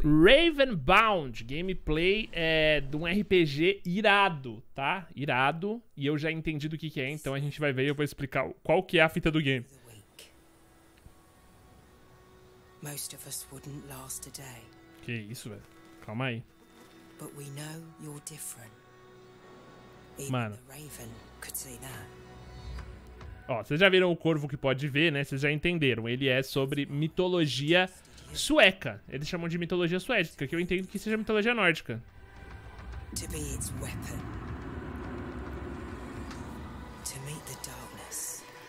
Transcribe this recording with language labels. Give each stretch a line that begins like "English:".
Portuguese: Ravenbound, gameplay é de um RPG irado, tá? Irado. E eu já entendi do que é, então a gente vai ver e eu vou explicar qual que é a fita do game.
English: Most of us wouldn't last a day.
Portuguese: Que isso, velho? Calma aí.
English: But we know you're different. Mano. Even the Raven could see that.
Portuguese: Ó, vocês já viram o corvo que pode ver, né? Vocês já entenderam. Ele é sobre mitologia sueca. Eles chamam de mitologia suédica, que eu entendo que seja mitologia nórdica.
English: To be its weapon. To meet the darkness.